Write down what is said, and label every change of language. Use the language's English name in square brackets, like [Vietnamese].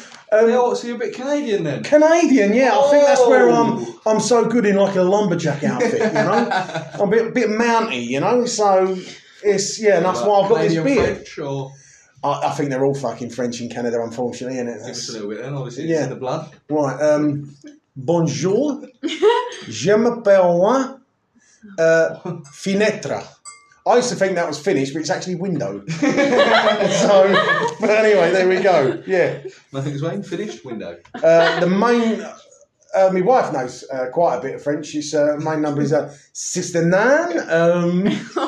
[English] So you're a bit Canadian then? Canadian, yeah. Whoa. I think that's where I'm so good in, like, a lumberjack outfit, you know? I'm a bit Mountie, you know? So, it's and that's why I've got Canadian this beard. French or... I think they're all fucking French in Canada, unfortunately, isn't it? That's... Just a little bit then, obviously, it's in the blood. [French] Right, bonjour, je m'appelle Finetra. [English] I used to think that was Finnish, but it's actually window. So, but anyway, there we go, yeah. My name's Wayne, Finnish, window. My wife knows quite a bit of French. She's main number is Sister Nan.